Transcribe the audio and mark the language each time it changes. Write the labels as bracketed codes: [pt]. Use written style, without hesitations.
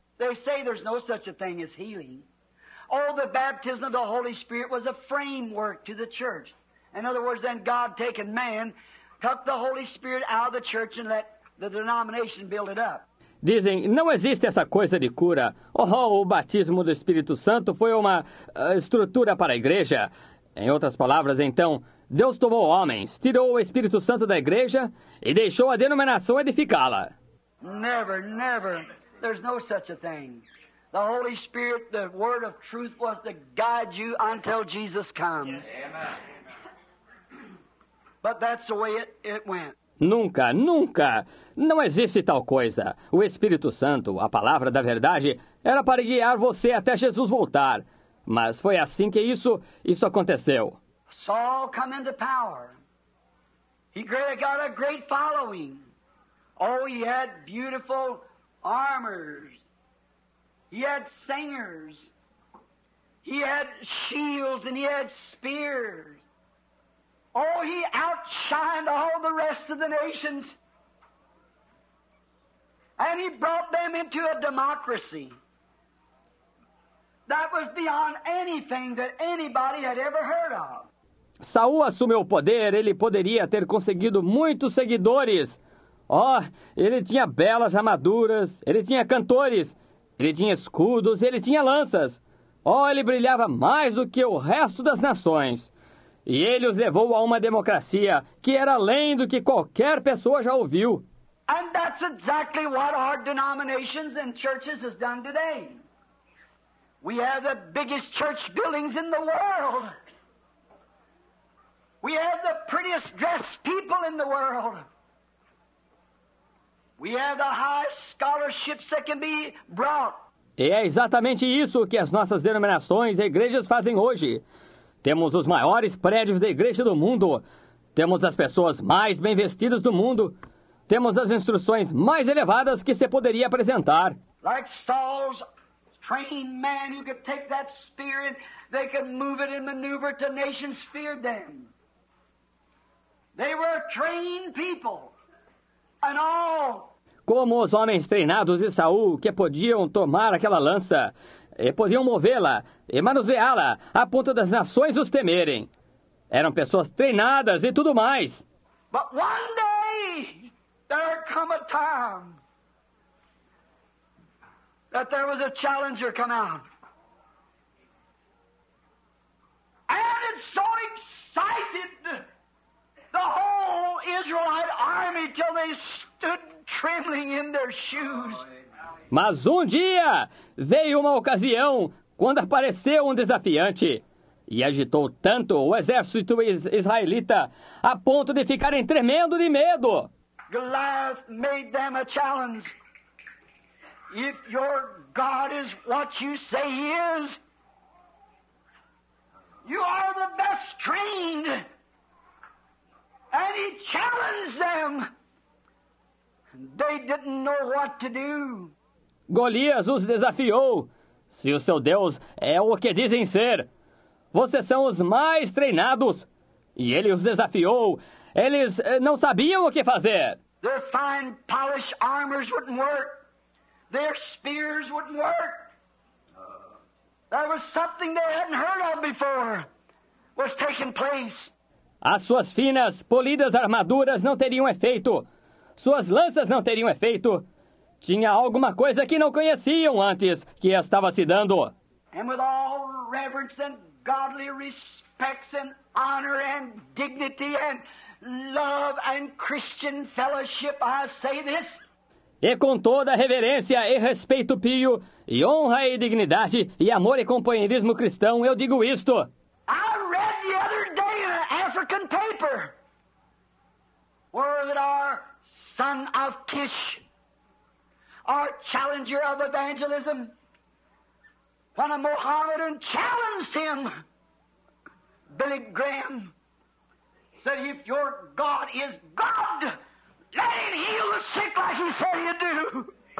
[en] They say there's no such a thing as healing. Oh, the baptism of the Holy Spirit was a framework to the church. In other words, then God taken man, took the Holy Spirit out of the church and let the denomination build it up. [pt] Dizem, não existe essa coisa de cura. Oh, o batismo do Espírito Santo foi uma estrutura para a igreja. Em outras palavras, então, Deus tomou homens, tirou o Espírito Santo da igreja e deixou a denominação edificá-la. [en] Never, never. There's no such a thing. The Holy Spirit, the word of truth, was to guide you until Jesus comes. But that's the way it went. [pt] Nunca, nunca, não existe tal coisa. O Espírito Santo, a palavra da verdade, era para guiar você até Jesus voltar. Mas foi assim que isso aconteceu. [en] Saul come into power. He got a great following. Oh, he had beautiful armors. He had singers. He had shields and he had spears. Oh, he outshined all the rest of the nations. And he brought them into a democracy. That was beyond anything that anybody had ever heard of. [pt] Saul assumiu o poder, ele poderia ter conseguido muitos seguidores. Oh, ele tinha belas armaduras, ele tinha cantores, ele tinha escudos, ele tinha lanças. Oh, ele brilhava mais do que o resto das nações. E ele os levou a uma democracia que era além do que qualquer pessoa já ouviu. [en] And that's exactly what our denominations and churches has done today. We have the biggest church buildings in the world. We have the prettiest dressed people in the world. We have the highest scholarships that can be brought. [pt] E é exatamente isso que as nossas denominações e igrejas fazem hoje. Temos os maiores prédios da igreja do mundo. Temos as pessoas mais bem vestidas do mundo. Temos as instruções mais elevadas que se poderia apresentar. [en] Like Saul's trained man who could take that spear and they could move it and maneuver it to nations feared them. They were trained people. And all. [pt] Como os homens treinados de Saul que podiam tomar aquela lança e podiam movê-la e manuseá-la a ponto das nações os temerem. Eram pessoas treinadas e tudo mais. [en] But one day, there come a time that there was a challenger come out. And it so excited the whole Israelite army till they stood trembling in their shoes. [pt] Mas um dia veio uma ocasião quando apareceu um desafiante e agitou tanto o exército israelita a ponto de ficarem tremendo de medo. [en] Goliath made them a challenge. If your God is what you say he is, you are the best trained. And he challenged them. They didn't know what to do. [pt] Golias os desafiou. Se o seu Deus é o que dizem ser, vocês são os mais treinados. E ele os desafiou. Eles não sabiam o que fazer. [en] Their fine polished armors wouldn't work. Their spears wouldn't work. There was something they hadn't heard of before was taking place. [pt] As suas finas, polidas armaduras não teriam efeito. Suas lanças não teriam efeito. Tinha alguma coisa que não conheciam antes que estava se dando. [en] And with all reverence and godly respects and honor and dignity and love and Christian fellowship, I say this. [pt] E com toda reverência e respeito pio, e honra e dignidade, e amor e companheirismo cristão, eu digo isto. [en] I read the other day in an African paper where our son of Kish, our challenger of evangelism, when a Mohammedan challenged him, Billy Graham, said, if your God is God, let him heal the sick like he said he'd do.